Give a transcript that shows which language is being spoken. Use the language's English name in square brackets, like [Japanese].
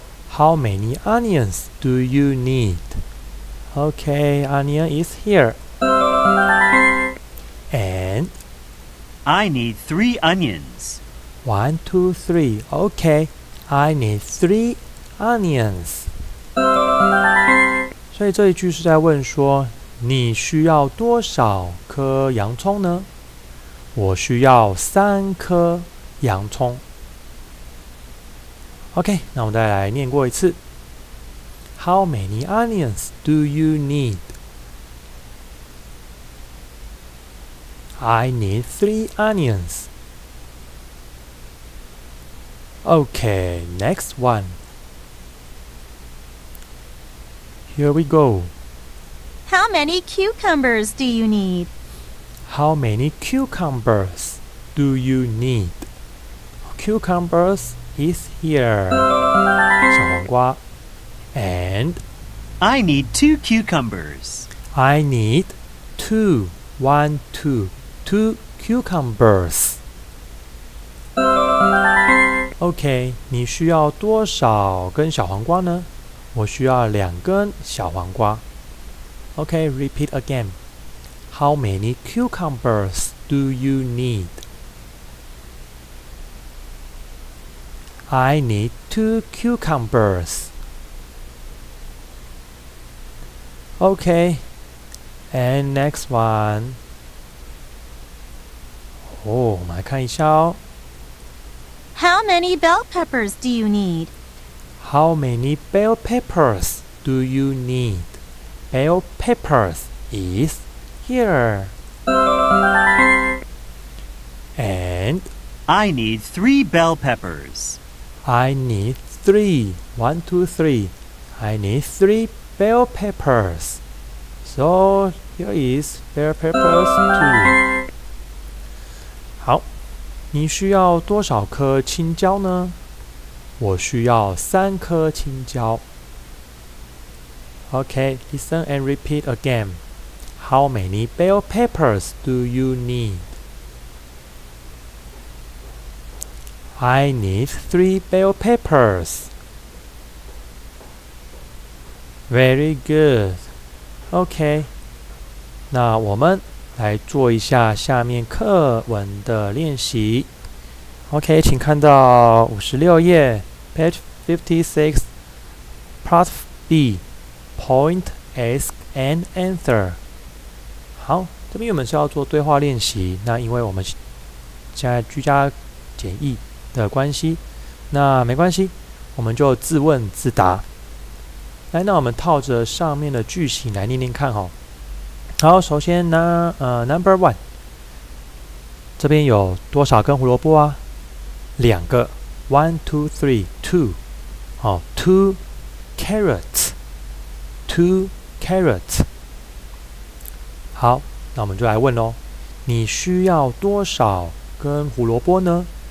[English] How many onions do you need? Okay, onion is here. And I need three onions. 1, 2, 3. Okay, I need three onions. [Chinese] 所以这一句是在问说，你需要多少颗洋葱呢？我需要三颗洋葱。 Okay, 那我们再来念过一次。 [English] How many onions do you need? I need three onions. Okay, next one. Here we go. How many cucumbers do you need? How many cucumbers do you need? Cucumbers is here. 小黄瓜.And I need two cucumbers. I need two. One, two. Two cucumbers. [Chinese] OK, 你需要多少根小黄瓜呢？我需要两根小黄瓜。 [English] OK, repeat again. How many cucumbers do you need? I need two cucumbers. OK, and next one. [Chinese] 哦，我们来看一下哦。 [English] many bell peppers do you need? How many bell peppers do you need? Bell peppers is here. And I need 3 bell peppers. I need 3. 1, 2, 3. I need 3 bell peppers. So here is bell peppers 2. [Chinese] 好，你需要多少颗青椒呢？我需要3颗青椒。 [English] Okay, listen and repeat again. How many bell peppers do you need? I need 3 bell peppers. Very good. [Chinese] Okay, 那我们来做一下下面课文的练习。 Okay, 请看到56页 , [English] Page 56, Part B. Point, ask, and answer. [Chinese] 好，这边我们是要做对话练习。那因为我们现在居家检疫的关系，那没关系，我们就自问自答。来，那我们套着上面的句型来念念看哈。好，首先呢， [English] number one， [Chinese] 这边有多少根胡萝卜啊？两个 [English] ，one, two, three, two. 好 ，two carrots. Two carrots. [Chinese] 好，那我们就来问咯，你需要多少根胡萝卜呢？